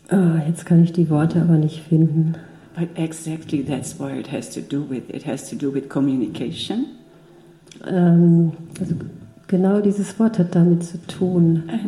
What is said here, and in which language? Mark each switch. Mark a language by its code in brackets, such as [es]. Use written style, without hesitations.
[de] Oh, jetzt kann ich die Worte aber nicht finden. [en] But exactly that's what it has to do with. It has to do with communication. [de] Also genau dieses Wort hat damit zu tun.